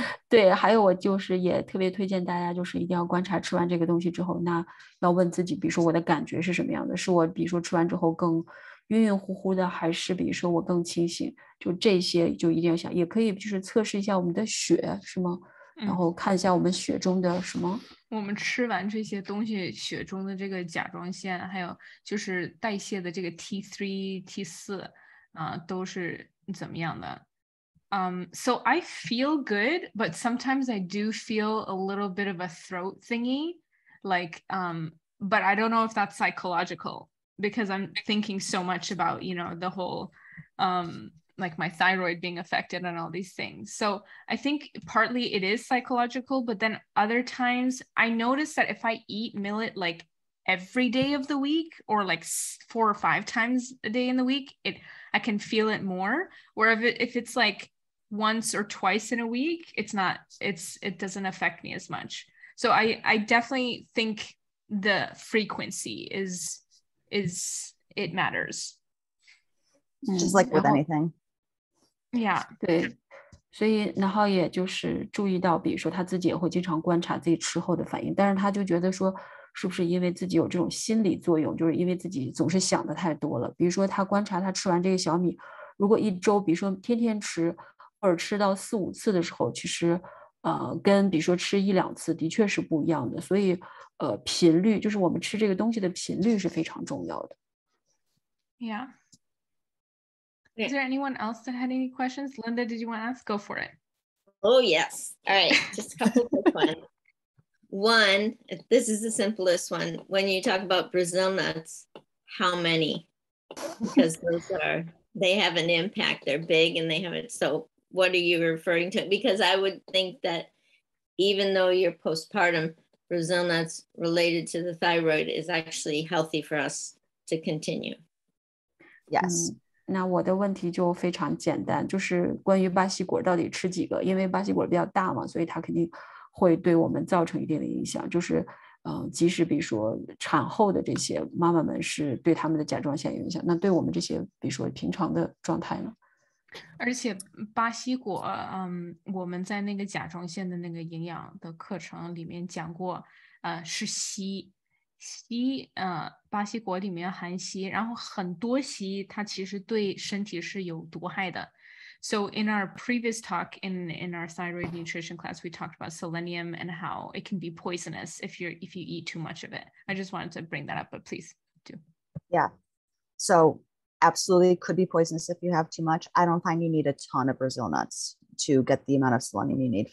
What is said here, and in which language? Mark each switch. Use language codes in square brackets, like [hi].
[zh] 对，还有我就是也特别推荐大家，就是一定要观察吃完这个东西之后，那要问自己，比如说我的感觉是什么样的，是我比如说吃完之后更晕晕乎乎的，还是比如说我更清醒，就这些就一定要想，也可以就是测试一下我们的血是吗，然后看一下我们血中的什么，我们吃完这些东西血中的这个甲状腺还有就是代谢的这个 T3 T4 都是怎么样的。 [en] So I feel good, but sometimes I do feel a little bit of a throat thingy, but I don't know if that's psychological, because I'm thinking so much about, you know, the whole, my thyroid being affected and all these things. So I think partly it is psychological, but then other times I notice that if I eat millet, like, every day of the week, or like 4 or 5 times a day in the week, I can feel it more, if it's like,once or twice in a week, it doesn't affect me as much. So I definitely think the frequency is it matters. Just like with anything. Yeah. [zh] 对，所以然后也就是注意到，比如说他自己也会经常观察自己吃后的反应，但是他就觉得说，是不是因为自己有这种心理作用，就是因为自己总是想的太多了。比如说他观察他吃完这个小米，如果一周，比如说天天吃。或者吃到四五次的时候，其实跟比如说吃一两次的确是不一样的，所以频率，就是我们吃这个东西的频率是非常重要的。 [en] Yeah. Is there anyone else that had any questions? Linda, did you want to ask? Go for it. Oh yes. All right, just a couple quick ones. One, this is the simplest one. When you talk about Brazil nuts, how many? Because they have an impact. They're big and they have it so. What are you referring to? Because I would think that even though you're postpartum, Brazil nuts related to the thyroid is actually healthy for us to continue. Yes. [zh] 那我的问题就非常简单，就是关于巴西果到底吃几个，因为巴西果比较大嘛，所以它肯定会对我们造成一定的影响。就是即使比如说产后的这些妈妈们是对他们的甲状腺有影响，那对我们这些比如说平常的状态呢？而且巴西果，我们在那个甲状腺的那个营养的课程里面讲过，是硒，硒，巴西果里面含硒，然后很多硒它其实对身体是有毒害的。 [en] So in our previous talk in our thyroid nutrition class, we talked about selenium and how it can be poisonous if you eat too much of it. I just wanted to bring that up, but please do. Yeah. So absolutely could be poisonous if you have too much. I don't find you need a ton of Brazil nuts to get the amount of selenium you need.